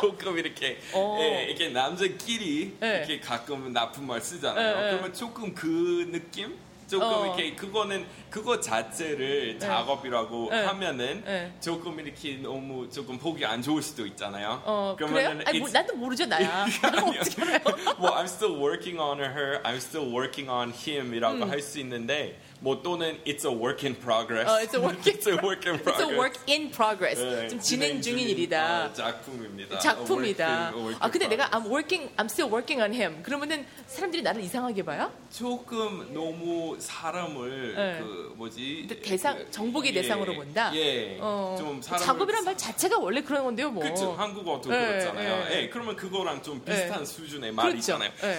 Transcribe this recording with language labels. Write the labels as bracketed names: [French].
[Korean] 조금 이렇게 예, 이렇게 남자끼리 네. 이렇게 가끔 나쁜 말 쓰잖아요. 네. 그러면 조금 그 느낌? 조금 이렇게 그거는 그거 자체를 네. 작업이라고 네. 하면은 네. 조금 이렇게 너무 조금 보기 안 좋을 수도 있잖아요. 그러면은 그래요? 아니, 뭐, 나도 모르죠 나야. 나는 어떻게 알아요? [English] 뭐 I'm still working on her, I'm still working on him이라고 [Korean] 할 수 있는데 뭐 또는 [English] it's a work in progress. It's a work in progress. 네, [Korean] 좀 진행 중인 일이다. 아, 작품입니다. 작품이다. [English] Working, [Korean] 아 근데 내가 [English] I'm still working on him. [Korean] 그러면은 사람들이 나를 이상하게 봐요? 조금 너무 사람을 네. 그 뭐지? 대상 정복의 예, 대상으로 본다. 예. 좀 사람 작업이란 말 자체가 원래 그런 건데요, 뭐. 그렇죠. 한국어도 네, 그렇잖아요. 예. 네. 네. 그러면 그거랑 좀 비슷한 네. 수준의 말이 그렇죠. 있잖아요. 네.